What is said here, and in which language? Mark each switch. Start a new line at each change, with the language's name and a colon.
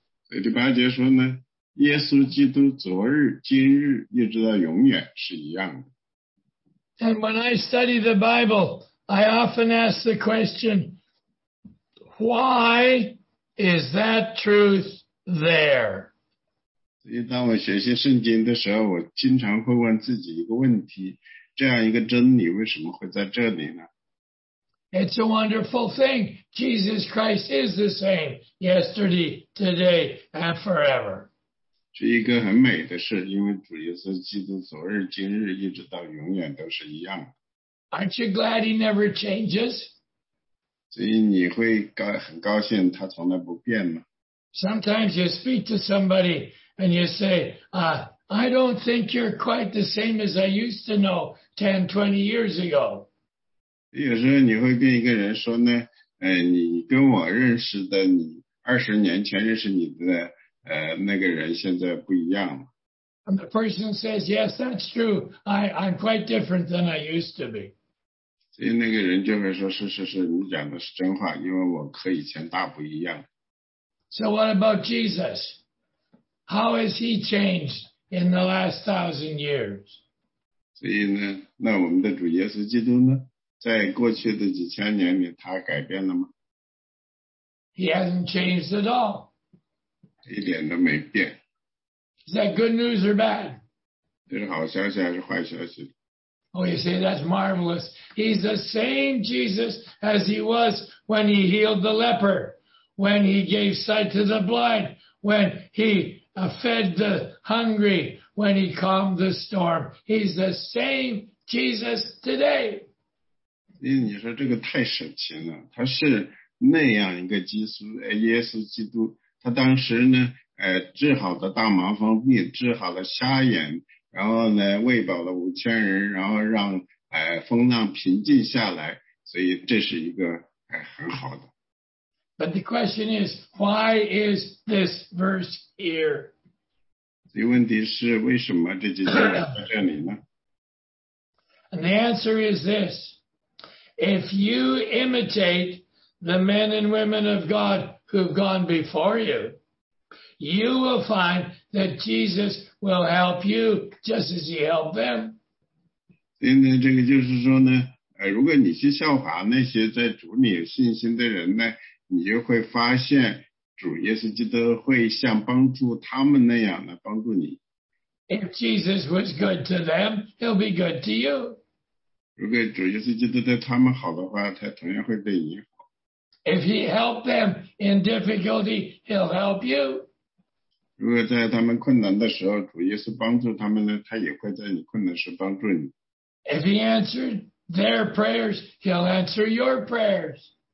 Chinese: 所以第八节说呢，耶稣基督昨日、今日一直到永远是一样的。
English: And when I study the Bible, I often ask the question, why is that truth there?
Chinese: 所以当我学习圣经的时候，我经常会问自己一个问题，这样一个真理为什么会在这里呢？
English: It's a wonderful thing. Jesus Christ is the same yesterday, today, and forever.
Chinese: 是一个很美的事，因为主耶稣基督昨日、今日一直到永远都是一样。
English: Aren't you glad he never changes?
Chinese: 所以你会很高兴他从来不变吗？
English: Sometimes you speak to somebody,And you say, I don't think you're quite the same as I used to know 10, 20 years ago.
Chinese: 有时候你会跟一个人说呢，你跟我认识的你20年前认识你的那个人现在不一样了。
English: And the person says, yes, that's true. I'm quite different than I used to be.
Chinese: 所以那个人就会说，是是是，你讲的是真话，因为我和以前大不一样。
English: So what about Jesus? How has he changed in the last 1,000 years?
Chinese: 所以呢，那我们的主耶稣基督呢，在过去的几千年里，他改变了吗？
English: He hasn't changed at all.
Chinese: 一点都没变。
English: Is that good news or bad?
Chinese: 这是好消息还是坏消息？
English: Oh, you say that's marvelous. He's the same Jesus as he was when he healed the leper, when he gave sight to the blind, when he... fed the hungry when he calmed the storm. He's the same Jesus today.
Chinese: 你说这个太神奇了，他是那样一个耶稣基督，他当时呢，治好了大麻风病，治好了瞎眼，然后呢，喂饱了5000人，然后让风浪平静下来，所以这是一个很好的。
English: But the question is, why is this verse here?
Chinese: 所以问题是为什么这节经文在这里呢？
English: And the answer is this. If you imitate the men and women of God who've gone before you, you will find that Jesus will help you just as he helped them.
Chinese: 所以呢，这个就是说呢，如果你去效法那些在主里有信心的人呢，你就会发现主耶稣基督会像帮助他们那样来帮助你。
English: If Jesus was good to them, he'll be good to you. If he helped them in difficulty, he'll help you. If he answered their prayers, he'll answer your prayers.